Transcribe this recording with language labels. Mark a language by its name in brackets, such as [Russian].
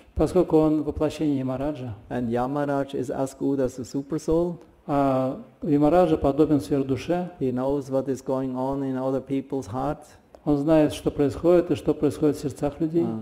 [Russian] Поскольку он воплощение Ямараджа. [English] And Yamaraj is as good as the super soul. [Russian] Ямараджа подобен сверхдуше. [English] He knows what is going on in other people's hearts. [Russian] Он знает, что происходит и что происходит в сердцах людей.